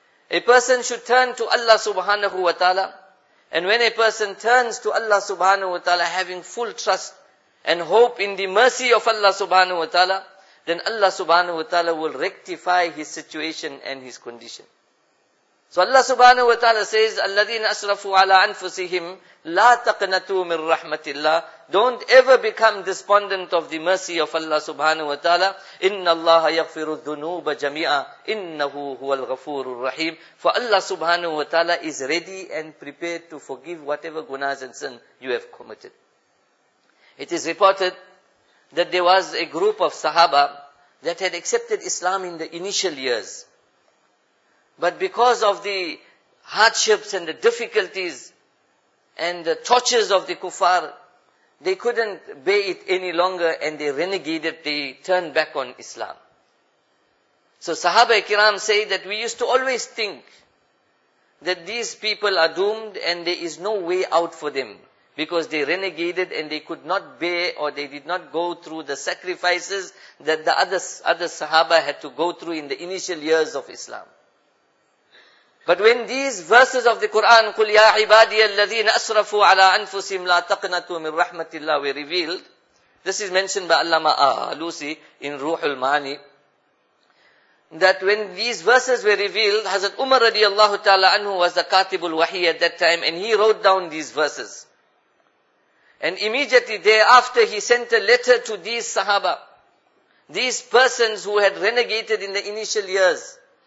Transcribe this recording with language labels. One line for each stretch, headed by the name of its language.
English: A person should turn to Allah subhanahu wa ta'ala. And when a person turns to Allah subhanahu wa ta'ala having full trust and hope in the mercy of Allah subhanahu wa ta'ala, then Allah subhanahu wa ta'ala will rectify his situation and his condition. So Allah subhanahu wa ta'ala says,
Arabic: الَّذِينَ أَسْرَفُوا عَلَىٰ أَنفُسِهِمْ لَا تَقْنَتُوا مِنْ رَحْمَةِ اللَّهِ.
English: Don't ever become despondent of the mercy of Allah subhanahu wa ta'ala.
Arabic: إِنَّ اللَّهَ يَغْفِرُ الذُّنُوبَ جَمِيعًا إِنَّهُ هُوَ الْغَفُورُ الرَّحِيمُ.
English: For Allah subhanahu wa ta'ala is ready and prepared to forgive whatever gunas and sin you have committed. It is reported that there was a group of Sahaba that had accepted Islam in the initial years. But because of the hardships and the difficulties and the tortures of the kuffar, they couldn't bear it any longer and they reneged, they turned back on Islam. So Sahaba Kiram say that we used to always think that these people are doomed and there is no way out for them, because they reneged and they could not bear or they did not go through the sacrifices that the other Sahaba had to go through in the initial years of Islam. But when these verses of the Quran,
Arabic: قُلْ يَا عِبَادِيَ الَّذِينَ أَسْرَفُوا عَلَىٰ أَنفُسِهِمْ لَا تَقْنَتُوا مِنْ رَحْمَةِ اللَّهِ
English: were revealed. This is mentioned by Allama Alusi in Ruhul Maani. That when these verses were revealed, Hazrat Umar radiallahu ta'ala anhu was the Katibul Wahi at that time and he wrote down these verses. And immediately thereafter, he sent a letter to these Sahaba, these persons who had renegated in the initial years.